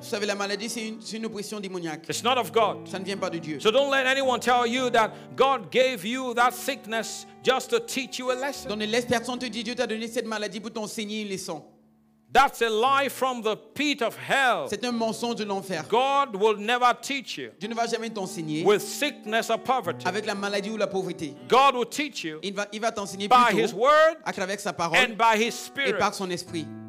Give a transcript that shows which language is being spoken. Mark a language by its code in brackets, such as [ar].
[fr] Vous savez, la maladie, c'est une oppression démoniaque. [en] It's not of God. [fr] Ça ne vient pas de Dieu. [en] So don't let anyone tell you that God gave you that sickness just to teach you a lesson. [fr] Donc ne laisse personne te dire Dieu t'a donné cette maladie pour t'enseigner une leçon. [en] That's a lie from the pit of hell. [fr] C'est un mensonge de l'enfer. [en] God will never teach you. [fr] Dieu ne va jamais t'enseigner. [en] With sickness or poverty. [fr] Avec la maladie ou la pauvreté. [en] God will teach you. [fr] Il va t'enseigner [en] by his word. [fr] À travers sa parole. [en] And by his spirit. [fr] Et par son esprit.